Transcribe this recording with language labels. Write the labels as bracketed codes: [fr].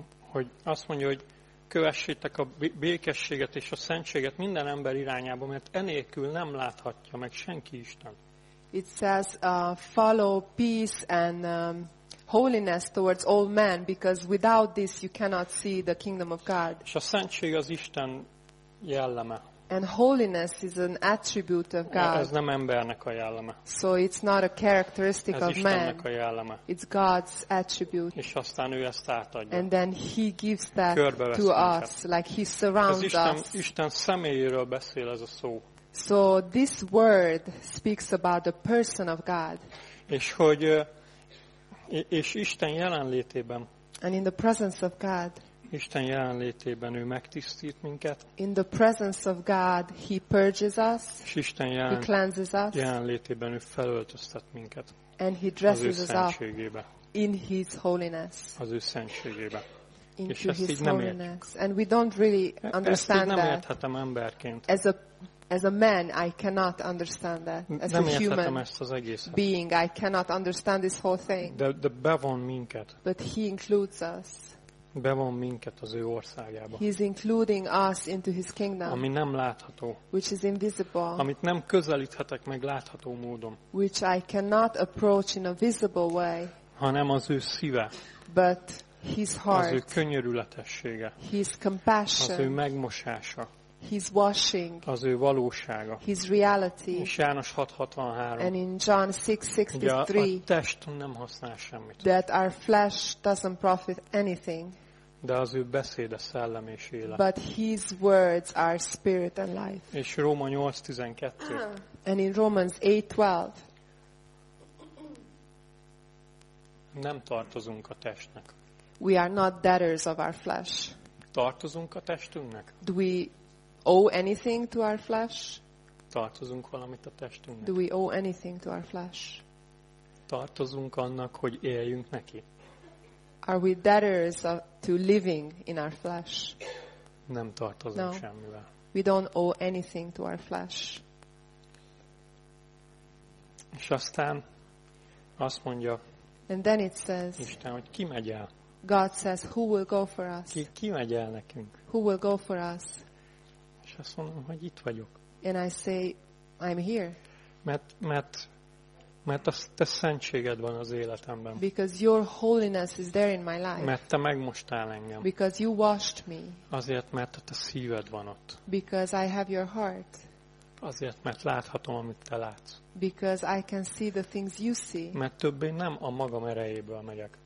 [hu] Hogy azt mondja, hogy kövessétek a békességet és a szentséget minden ember irányába, mert enélkül nem láthatja meg senki Isten. [en] It says, follow peace and holiness towards all men, because without this you cannot see the kingdom of God. [hu] És a szentség az Isten jelleme. [en] And holiness is an attribute of God. [hu] Ez nem embernek a jelleme. [en] So it's not a characteristic [hu] ez [en] of man. [hu] Istennek a jelleme. [en] It's God's attribute. [hu] És aztán ő ezt átadja. [en] And then he gives that to us, like he surrounds [hu] Isten, [en] us. [hu] Isten személyéről beszél ez a szó. [en] So this word speaks about the person of God. [hu] És hogy és Isten jelenlétében. [en] And in the presence of God. [hu] Isten jelenlétében ő megtisztít minket. [en] In the presence of God, he purges us. [hu] És Isten [en] cleanses us. [hu] Jelenlétében ő felöltöztet minket. [en] And he dresses [hu] az ő szentségébe. [en] In his holiness. [hu] Az ő szentségébe. [en] Into his holiness. And we don't really understand that. [hu] Ezt nem érthetem emberként. [en] As a man, I cannot understand that. As [hu] nem [en] a human being, I cannot understand this whole thing. [hu] De bevon minket. [en] But he includes us. [hu] Bevon minket az ő országába. [en] He is including us into his kingdom. [hu] Ami nem látható. [en] Which is invisible. [hu] Amit nem közelíthetek meg látható módon. [en] Which I cannot approach in a visible way. [hu] Hanem az ő szíve. [en] But his heart. [hu] Az ő könyörületessége. [en] His compassion. [hu] Az ő megmosása. [en] His washing. [hu] Az ő valósága. [en] His reality. [hu] És János 6:63. [en] And in John 6:63. [hu] A test nem használ semmit. [en] That our flesh doesn't profit anything. [hu] De az ő beszéde szellem és élet. [en] But his words are spirit and life. [hu] És Róma 8:12. [en] And in Romans 8:12. [hu] Nem tartozunk a testnek. [en] We are not debtors of our flesh. [hu] Tartozunk a testünknek? [en] Do we owe anything to our flesh? [hu] Tartozunk valamit a testünknek? [en] Do we owe anything to our flesh? [hu] tartozunk annak, hogy éljünk neki? [en] Are we debtors of, to living in our flesh? [hu] Nem tartozunk semmivel. [en] We don't owe anything to our flesh. [hu] És aztán azt mondja, [en] and then it says, [hu] Isten, hogy ki megy el? [en] God says, who will go for us? [hu] Ki megy el nekünk? [en] Who will go for us? [hu] És azt mondom, hogy itt vagyok. [en] And I say, I'm here. [hu] Mert a te szentséged van az életemben. [en] Because your holiness is there in my life. [hu] Mert te megmostál engem. [en] Because you washed me. [hu] Azért, mert a te szíved van ott. [en] Because I have your heart. [hu] Azért, mert láthatom, amit te látsz. [en] Because I can see the things you see. [hu] Mert többé nem a magam erejéből megyek.